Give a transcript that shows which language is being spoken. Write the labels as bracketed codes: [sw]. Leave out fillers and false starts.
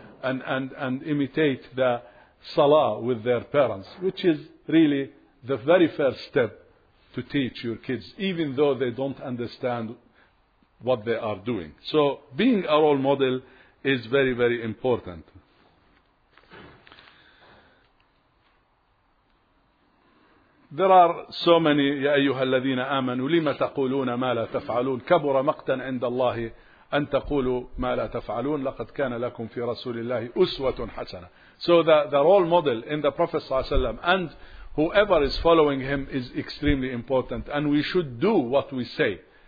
[en] And imitate the salah with their parents. Which is really the very first step to teach your kids, even though they don't understand what they are doing. So being a role model is very, very important. There are so many, [ar] يَا أَيُّهَا الَّذِينَ آمَنُوا لِمَ تَقُولُونَ مَا لَا تَفْعَلُونَ كَبُرَ مَقْتًا عِنْدَ اللَّهِ أَنْ تَقُولُوا مَا لَا تَفْعَلُونَ لَقَدْ كَانَ لَكُمْ فِي رَسُولِ اللَّهِ أُسْوَةٌ حَسَنَةٌ. [en] So the role model in the Prophet [ar] صلى الله عليه وسلم [en] and whoever is following him is extremely important, and we should do what we say.